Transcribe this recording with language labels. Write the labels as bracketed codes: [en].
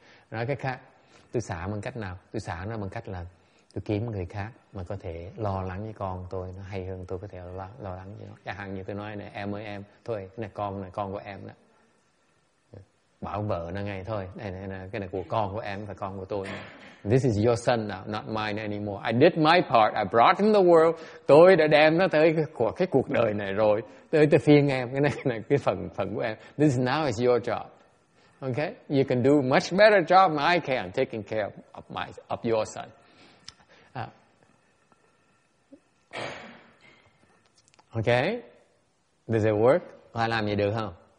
[vi] Nói cái khác, tôi xả bằng cách nào? Tôi xả nó bằng cách là tôi kiếm người khác mà có thể lo lắng với con tôi, nó hay hơn tôi có thể lo lắng với nó. Chẳng hạn như tôi nói này, em ơi em, thôi, này con của em đó. Bảo vợ nó ngay thôi, này, cái này của con của em và con của tôi. [en] This is your son now, not mine anymore. I did my part, I brought him the world. [vi] Tôi đã đem nó tới cái cuộc đời này rồi. Tới phiên em, cái này cái phần của em. [en] This now is your job. Okay? You can do much better job than I can taking care of your son. Okay? Does it work? [vi] Có làm gì được không?